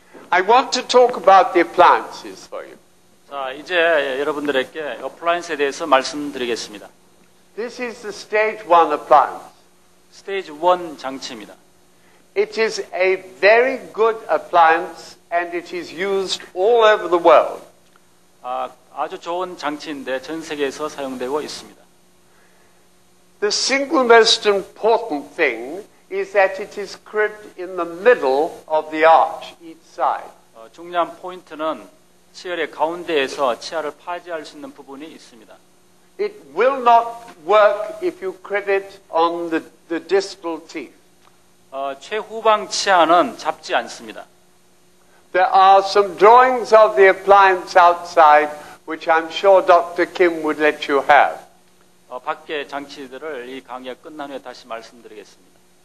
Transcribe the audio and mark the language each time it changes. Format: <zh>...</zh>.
<en>I want to talk about the appliances for you.</en> <ko>자, 이제 여러분들에게 어플라이언스에 대해서 말씀드리겠습니다.</ko> <en>This is the stage 1 appliance.</en> <ko>Stage 1 장치입니다.</ko> <en>It is a very good appliance and it is used all over the world.</en> <ko>아주 좋은 장치인데 전 세계에서 사용되고 있습니다.</ko> <en>The single most important thing is that it is crimped in the middle of the arch, each side.</en> <ko>중요한 포인트는 치열의 가운데에서 치아를 파지할 수 있는 부분이 있습니다.</ko> <en>It will not work if you crimp it on the distal teeth.</en> <ko>최후방 치아는 잡지 않습니다.</ko> <en>There are some drawings of the appliance outside which I'm sure Dr. Kim would let you have.</en> <ko>밖에 장치들을 이 강의가 끝난 후에 다시 말씀드리겠습니다.</ko>